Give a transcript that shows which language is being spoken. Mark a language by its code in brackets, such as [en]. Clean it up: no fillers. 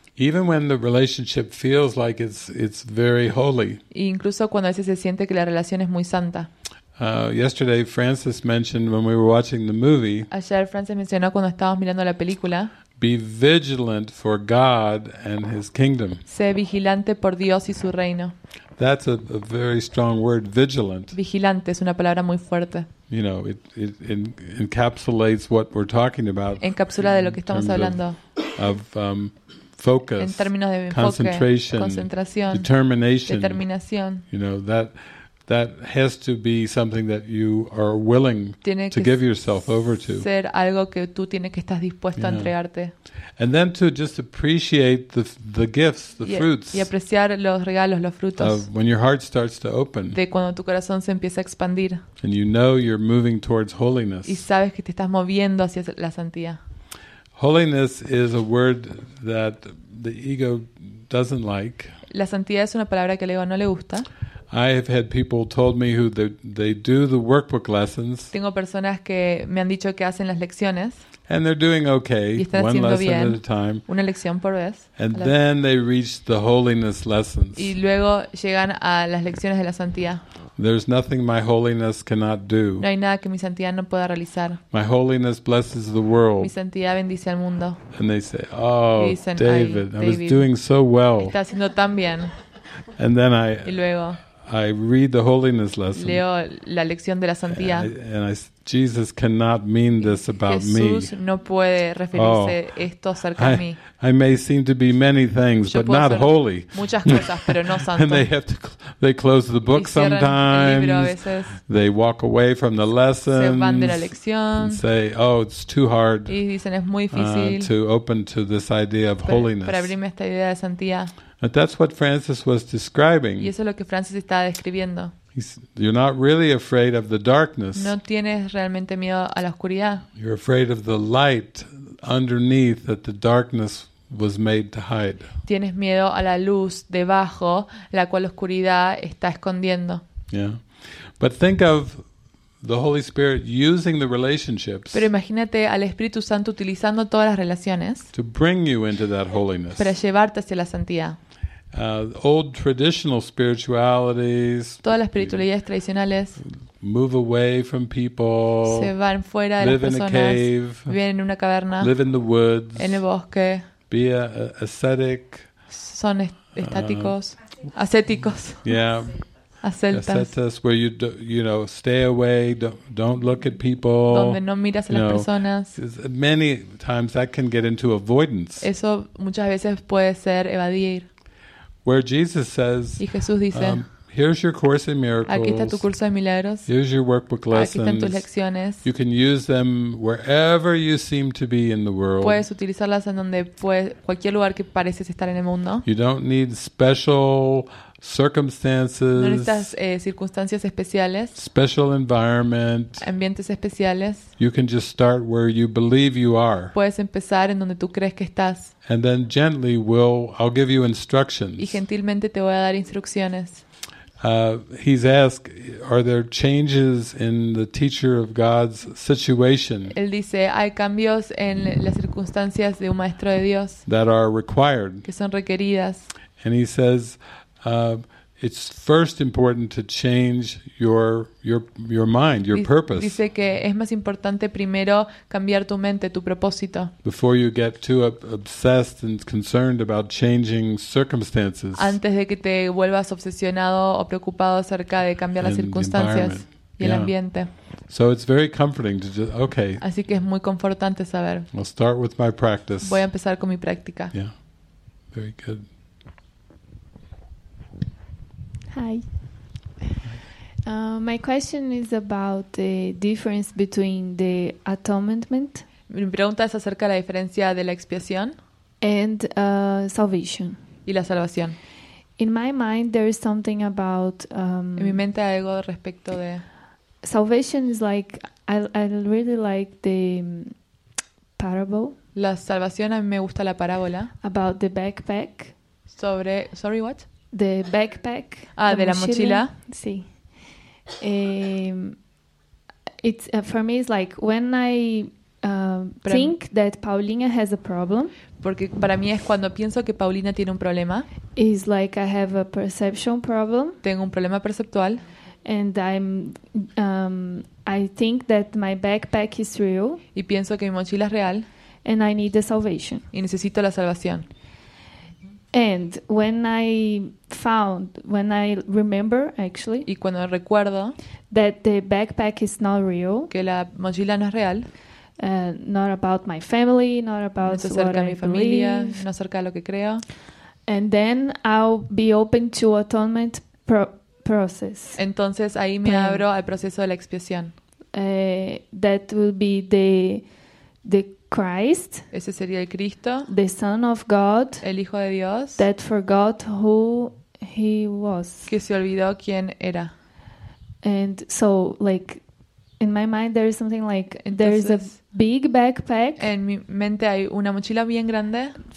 [en] Even when the relationship feels like it's very holy. [es] E incluso cuando a veces se siente que la relación es muy santa. [en] Yesterday Francis mentioned when we were watching the movie. [es] Ayer Francis mencionó cuando estábamos mirando la película. [en] Be vigilant for God and His kingdom. [es] Sé vigilante por Dios y su reino. [en] That's a very strong word, vigilant. [es] Vigilante es una palabra muy fuerte. [en] You know, it encapsulates what we're talking about. [es] Encapsula de lo que estamos hablando. [en] Of focus. [es] En términos de enfoque, [en] concentration, [es] concentración, [en] determination, [es] determinación. [en] You know, that has to be something that you are willing to give yourself over to. [es] Ser algo que tú tienes que estás dispuesto a entregarte. [en] And then to just appreciate the gifts, the fruits. [es] Y apreciar los regalos, los frutos. [en] Of when your heart starts to open. [es] De cuando tu corazón se empieza a expandir. [en] And you know you're moving towards holiness. [es] Y sabes que te estás moviendo hacia la santidad. [en] Holiness is a word that the ego doesn't like. [es] La santidad es una palabra que el ego no le gusta. [en] I have had people told me who they do the workbook lessons. [es] Tengo personas que me han dicho que hacen las lecciones. [en] And they're doing okay, one lesson at a time. [es] Una lección por vez. [en] And then they reach the holiness lessons. [es] Y luego llegan a las lecciones de la santidad. [en] There's nothing my holiness cannot do. [es] No hay nada que mi santidad no pueda realizar. [en] My holiness blesses the world. [es] Mi santidad bendice al mundo. [en] And they say, oh, [es] dicen, [en] David, I was doing so well. [es] Está haciendo tan bien. [en] And then I. [es] Y luego. [en] I read the holiness lesson. [es] Leo la lección de la santidad. [en] And I, Jesus cannot mean this about [es] Jesús [en] me. [es] Jesús no puede referirse esto acerca de mí. [en] I may seem to be many things, [es] yo [en] but not holy. [es] Muchas cosas, pero no santo. [en] And they close the book sometimes. They walk away from the lessons. [es] Se van de la lección. [en] And say, oh, it's too hard. [es] Y dicen, es muy difícil [en] to open to this idea of holiness. [es] Para abrirme esta idea de santidad. [en] But that's what Francis was describing. [es] Y eso es lo que Francis está describiendo. [en] You're not really afraid of the darkness. [es] No tienes realmente miedo a la oscuridad. [en] You're afraid of the light underneath that the darkness was made to hide. [es] Tienes miedo a la luz debajo la cual la oscuridad está escondiendo. [en] Yeah. But think of the Holy Spirit using the relationships. [es] Pero imagínate al Espíritu Santo utilizando todas las relaciones. [en] To bring you into that holiness. [es] Para llevarte hacia la santidad. [en] Old traditional spiritualities. [es] Todas las espiritualidades tradicionales. [en] Move away from people. [es] Se van fuera de [en] live [es] las personas. [en] In a cave, [es] viven en una caverna. [en] Live in the woods. [es] En el bosque. [en] Be ascetic. [es] Son estáticos. Ascéticos. [en] Yeah. [es] Ascetas, [en] where you know, stay away, don't look at people. [es] Donde no miras a las personas. [en] Many times that can get into avoidance. [es] Eso muchas veces puede ser evadir. [en] Where Jesus says, [es] y Jesús dice, [en] here's your course in miracles. [es] Aquí está tu curso de milagros. [en] Here's your workbook lessons. [es] Aquí están tus lecciones. [en] You can use them wherever you seem to be in the world. [es] Puedes utilizarlas en donde cualquier lugar que pareces estar en el mundo. [en] You don't need special circumstances. [es] No necesitas circunstancias especiales. [en] Special environment. [es] Ambientes especiales. [en] You can just start where you believe you are. [es] Puedes empezar en donde tú crees que estás. [en] And then gently I'll give you instructions. [es] Y gentilmente te voy a dar instrucciones. [en] He's asked, are there changes in the teacher of God's situation? [es] Él dice, hay cambios en las circunstancias de un maestro de Dios. [en] That are required. [es] Que son requeridas. [en] And he says, it's first important to change your mind, your purpose. [es] Dice que es más importante primero cambiar tu mente, tu propósito. [en] Before you get too obsessed and concerned about changing circumstances. [es] Antes de que te vuelvas obsesionado o preocupado acerca de cambiar las circunstancias y el ambiente. [en] So it's very comforting to just okay. [es] Así que es muy confortante saber. [en] I'll start with my practice. [es] Voy a empezar con mi práctica. [en] Yeah. Very good. Hi. My question is about the difference between the atonement. [es] Mi pregunta es acerca de la diferencia de la expiación [en] and salvation. [es] Y la salvación. [en] In my mind, there is something about. [es] En mi mente hay algo respecto de. [en] Salvation is like I really like the parable. [es] La salvación a mí me gusta la parábola. [en] About the backpack. What? The backpack. Ah, the [es] de mochila. Sí. [en] It's for me. It's like when I think that Paulina has a problem. [es] Porque para mí es cuando pienso que Paulina tiene un problema. [en] It's like I have a perception problem. [es] Tengo un problema perceptual. [en] And I think that my backpack is real. [es] Y pienso que mi mochila es real. [en] And I need the salvation. [es] Y necesito la salvación. [en] And when I found, when I remember, actually, [es] y cuando recuerdo, [en] that the backpack is not real, [es] que la mochila no es real, [en] not about my family, not about [es] no acerca [en] what [es] a mi [en] I [es] familia, [en] believe, [es] no acerca de lo que creo, [en] and then I'll be open to atonement process. [es] Entonces ahí me abro al proceso de la expiación. [en] That will be the Christ, [es] ese sería el Cristo, [en] the Son of God, [es] el Hijo de Dios, [en] that forgot who he was, [es] que se olvidó quién era. [en] And so, like, in my mind, there is something like, [es] entonces, [en] there is a big backpack. [es] En mi mente hay una mochila bien grande,